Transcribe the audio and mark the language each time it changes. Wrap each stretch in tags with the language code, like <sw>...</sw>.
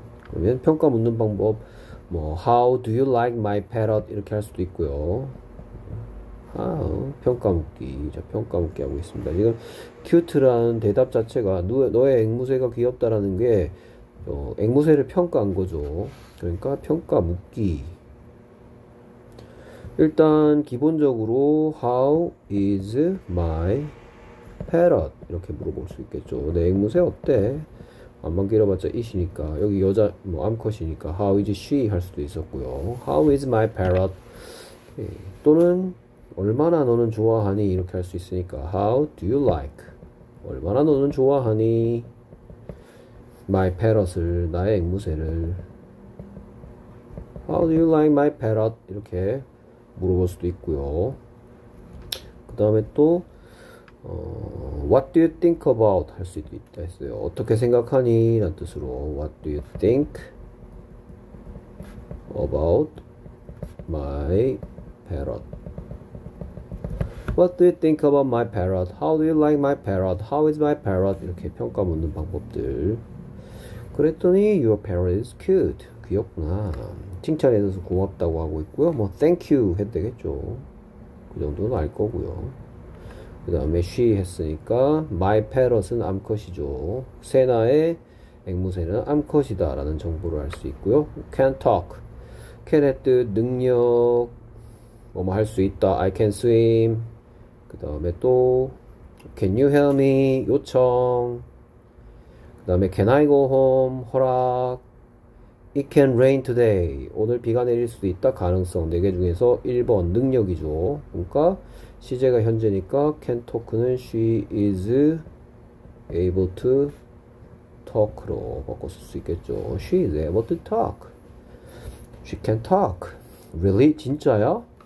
<ko>그러면 평가 묻는 방법 뭐</ko> <en>how do you like my parrot</en> <ko>이렇게 할 수도 있고요. 아우, 평가 묻기. 자, 평가 묻기 하고 있습니다. 이건 큐트라는 대답 자체가 너의 앵무새가 귀엽다라는 게 앵무새를 평가한 거죠. 그러니까 평가 묻기. 일단 기본적으로</ko> <en>How is my parrot?</en> <ko>이렇게 물어볼 수 있겠죠. 내 앵무새 어때? 안만 길어봤자 is니까 여기 여자 뭐 암컷이니까</ko> <en>How is she?</en> <ko>할 수도 있었고요.</ko> <en>How is my parrot?</en> <ko>예, 또는 얼마나 너는 좋아하니? 이렇게 할수 있으니까</ko> <en>How do you like?</en> <ko>얼마나 너는 좋아하니?</ko> <en>My parrot을</en> <ko>나의 앵무새를</ko> <en>How do you like my parrot?</en> <ko>이렇게 물어볼 수도 있고요. 그 다음에 또</ko> <en>What do you think about?</en> <ko>할 수도 있다 했어요. 어떻게 생각하니? 라는 뜻으로</ko> <en>What do you think about my parrot? What do you think about my parrot? How do you like my parrot? How is my parrot?</en> <ko>이렇게 평가 묻는 방법들.</ko> <en>그랬더니 your parrot is cute.</en> <ko>귀엽구나. 칭찬해줘서 고맙다고 하고 있고요. 뭐 thank you 했대겠죠. 그 정도는 알 거고요. 그다음에 she 했으니까 my parrot은 암컷이죠. 세나의 앵무새는 암컷이다라는 정보를 알수 있고요. Can talk. Can 했듯 능력. 뭐뭐할수 있다.</ko> <en>I can swim.</en> <ko>그 다음에 또</ko> <en>Can you help me?</en> <ko>요청. 그 다음에</ko> <en>Can I go home? 허락. It can rain today.</en> <ko>오늘 비가 내릴 수도 있다. 가능성 네개 중에서 1번 능력이죠. 그러니까 시제가 현재니까 Can talk는</ko> <en>She is able to talk</en> <ko>로 바꿔 쓸수 있겠죠.</ko> <en>She is able to talk. She can talk. Really?</en> <ko>진짜야?</ko>